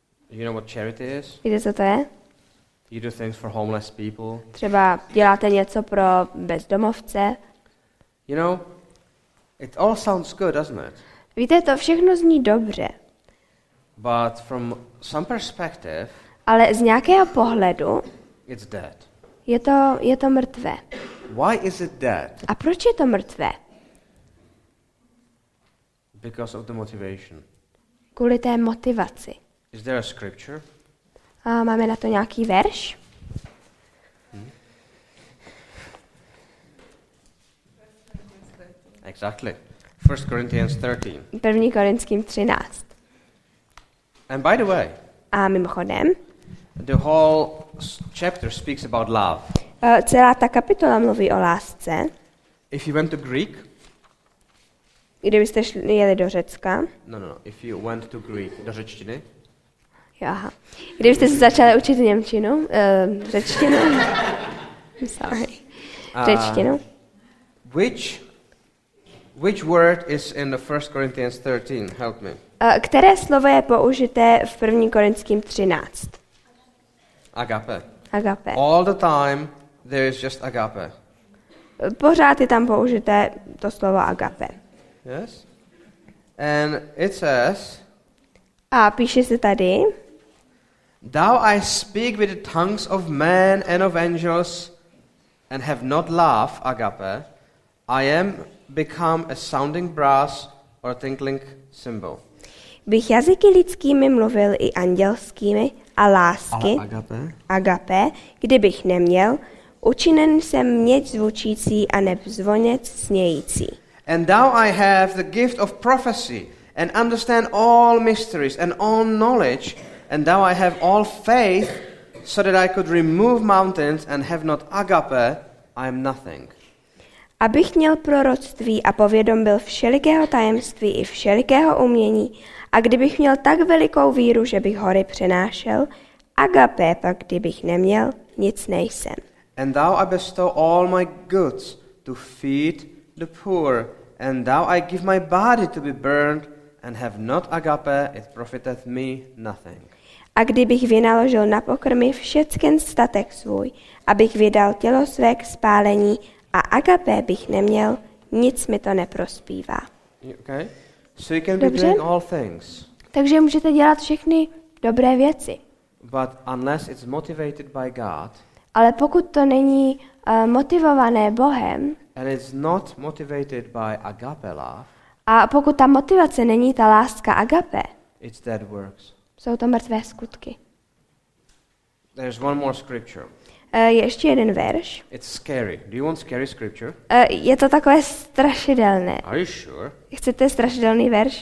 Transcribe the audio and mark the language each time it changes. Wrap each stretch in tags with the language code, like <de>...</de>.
<en>You know what charity is?</en> <cs>Víte, co to je?</cs> <en>You do things for homeless people.</en> <cs>Třeba děláte něco pro bezdomovce.</cs> <en>You know, it all sounds good, doesn't it?</en> <cs>Víte, to všechno zní dobře.</cs> <en>But from some perspective.</en> <cs>Ale z nějakého pohledu.</cs> <en>It's dead.</en> <cs>Je to mrtvé.</cs> <en>Why is it dead?</en> <cs>A proč je to mrtvé?</cs> <en>Because of the motivation.</en> <cs>Kvůli té motivaci.</cs> <en>Is there a scripture?</en> <cs>A máme na to nějaký verš?</cs> <en>Exactly. 1 Corinthians 13.</en> <cs>1. Korinským 13.</cs> <en>And by the way.</en> <cs>A mimochodem.</cs> <en>The whole chapter speaks about love.</en> <cs>Celá ta kapitola mluví o lásce.</cs> <en>If you went to Greek.</en> <cs>Kdybyste jeli do Řecka.</cs> <en>No. If you went to Greek,</en> <cs>do řečtiny. Jo, aha. Kdybyste se začali učit němčinu, řečtinu.</cs> <en>I'm sorry.</en> <cs>řečtinu.</cs> <en>Which word is in the 1 Corinthians 13? Help me.</en> <cs>Které slovo je použité v 1. Korinským 13?</cs> <el>Agape. Agape.</el> <en>All the time there is just agape.</en> <cs>Pořád je tam použité to slovo agape.</cs> <en>Yes. And it says.</en> <cs>A píše se tady.</cs> <en>Thou I speak with the tongues of men and of angels and have not love, agape, I am become a sounding brass or a tinkling cymbal.</en> <cs>Bych jazyky lidskými mluvil i andělskými a lásky,</cs> <el>agape,</el> <cs>kdybych neměl, učinen jsem měď zvučící a neb zvonec snějící.</cs> <en>And thou I have the gift of prophecy and understand all mysteries and all knowledge, and thou I have all faith so that I could remove mountains and have not agape, I am nothing.</en> <cs>Abych měl proroctví a povědom byl všelikého tajemství i všelikého umění, a kdybych měl tak velikou víru, že bych hory přenášel, agape pak kdybych neměl, nic nejsem.</cs> <en>And thou I bestow all my goods to feed the poor, and thou I give my body to be burned, and have not agape, it profiteth me nothing.</en> <cs>A kdybych vynaložil na pokrmy všecken statek svůj, abych vydal tělo své k spálení, a agape bych neměl, nic mi to neprospívá.</cs> <en>Okay. So you can be doing all things.</en> <cs>Takže můžete dělat všechny dobré věci.</cs> <en>But unless it's motivated by God.</en> <cs>Ale pokud to není motivované Bohem.</cs> <en>And it's not motivated by agape love.</en> <cs>A pokud ta motivace není ta láska agape.</cs> <en>It's dead works.</en> <cs>Jsou to mrtvé skutky.</cs> <en>There's one more scripture.</en> <cs>Ještě jeden verš.</cs> <en>It's scary. Do you want scary scripture?</en> <cs>Je to takové strašidelné.</cs> <en>Are you sure?</en> <cs>Chcete strašidelný verš?</cs>